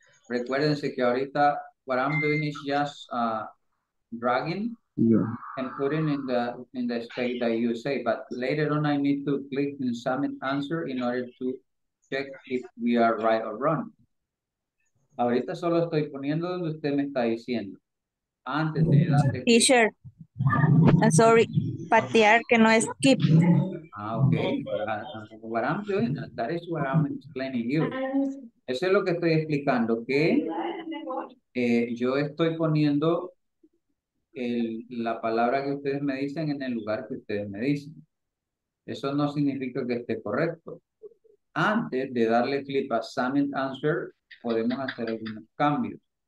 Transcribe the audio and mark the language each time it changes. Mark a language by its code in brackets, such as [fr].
[es] Recuérdense que ahorita [en] what I'm doing is just dragging. Yeah. And put it in the state that you say, but later on I need to click in submit answer in order to check if we are right or wrong. [es] Ahorita solo estoy poniendo donde usted me está diciendo. Antes de ir a... [en] Teacher, I'm sorry, [es] patear que no es keep. [en] Ah, okay. What I'm doing, that is what I'm explaining you. [es] Eso es lo que estoy explicando, que yo estoy poniendo la palabra que ustedes me dicen en el lugar que ustedes me dicen. Eso no significa que esté correcto. Antes de darle clic a Submit Answer, podemos hacer algunos cambios.